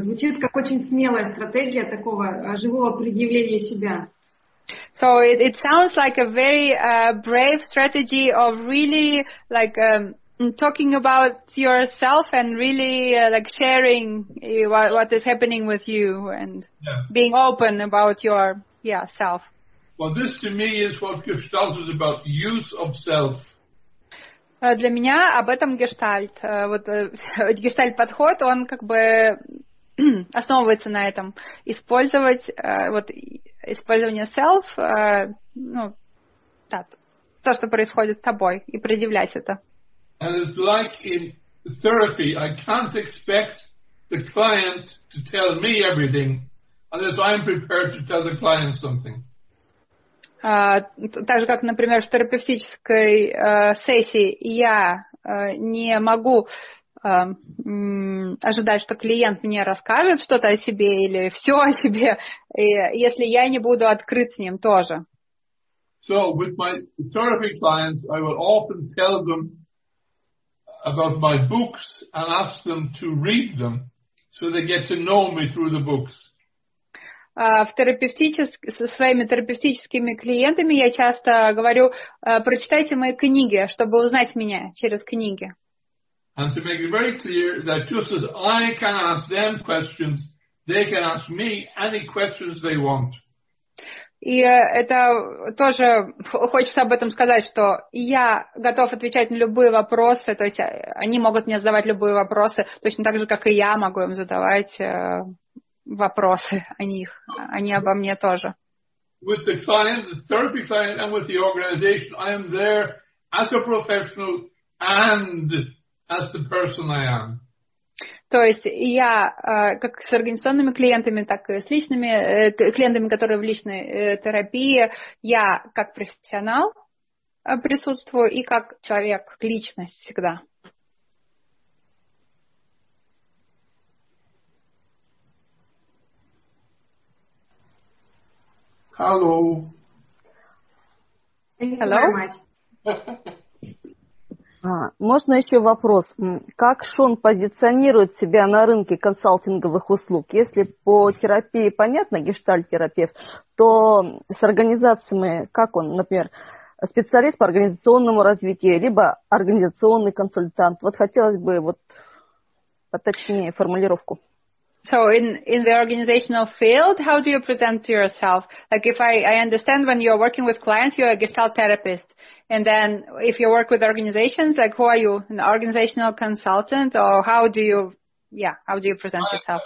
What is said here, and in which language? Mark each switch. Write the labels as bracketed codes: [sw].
[ru] Звучит как очень смелая стратегия такого живого предъявления себя. [en] So it sounds like a very brave strategy of really like talking about yourself and really like sharing what is happening with you and being open about your self. Well, this to me is what Gestalt is about, use of self. [ru] Для меня об этом гештальт. Вот гештальт-подход, он как бы основывается на этом. Использовать, вот, использование self, ну, да, то, что происходит с тобой, и предъявлять это. [en] And it's like in therapy, I can't expect the client to tell me everything unless I'm prepared to tell the client something. [ru] Так же, как, например, в терапевтической сессии я не могу ожидать, что клиент мне расскажет что-то о себе или все о себе, если я не буду открыт с ним тоже. [en] So with my therapy clients, I will often tell them about my books and ask them to read them so they get to know me through the books. [ru] Со своими терапевтическими клиентами я часто говорю, прочитайте мои книги, чтобы узнать меня через книги. [en] And to make it very clear that just as I can ask them questions, they can ask me any questions they want. [ru] И это тоже хочется об этом сказать, что я готов отвечать на любые вопросы, то есть они могут мне задавать любые вопросы, точно так же, как и я могу им задавать вопросы о них, они обо мне тоже. [en] With the client, the therapy client, and with the organization, I am there as a professional and as the person I am. [ru] То есть я как с организационными клиентами, так и с личными клиентами, которые в личной терапии, я как профессионал присутствую и как человек, личность всегда. [en] Hello. Hello. [ru] Можно еще вопрос? Как Шон позиционирует себя на рынке консалтинговых услуг? Если по терапии понятно, гештальт-терапевт, то с организациями, как он, например, специалист по организационному развитию, либо организационный консультант? Вот хотелось бы вот поточнее формулировку. [en] So in the organizational field, how do you present yourself? Like if I understand when you're working with clients, you're a gestalt therapist. And then if you work with organizations, like who are you, an organizational consultant? Or how do you present yourself?